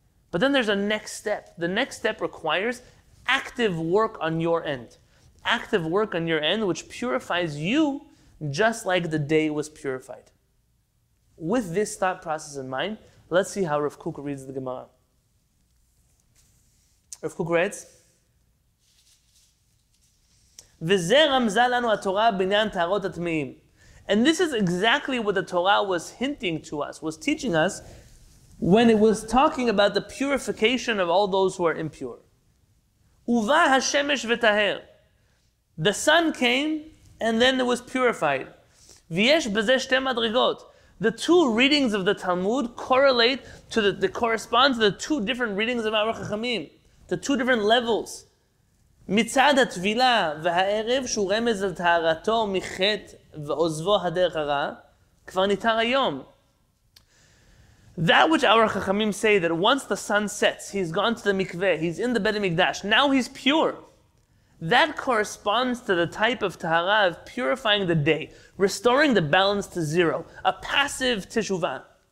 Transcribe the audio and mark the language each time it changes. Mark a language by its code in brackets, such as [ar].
[en] But then there's a next step. The next step requires active work on your end. Active work on your end which purifies you just like the day was purified. With this thought process in mind, let's see how Rav Kook reads the Gemara. Rav Kook writes, [he] וזה רמזה לנו התורה בעניין טהרות הטמאים. [en] And this is exactly what the Torah was hinting to us, was teaching us, when it was talking about the purification of all those who are impure. [he] ובא השמש וטהר. [en] The sun came, and then it was purified. [he] ויש בזה שתי מדרגות. [en] The two readings of the Talmud correlate to they correspond to the two different readings of our Chachamim, the two different levels. [he] מצד התבילה והערב שהוא רמז על טהרתו מחטא ועוזבו הדרך הרע, כבר ניתר היום. [en] That which our Chachamim say that once the sun sets, he's gone to the mikveh, he's in the Bet HaMikdash, now he's pure. That corresponds to the type of tahara of purifying the day, restoring the balance to zero, a passive teshuvah.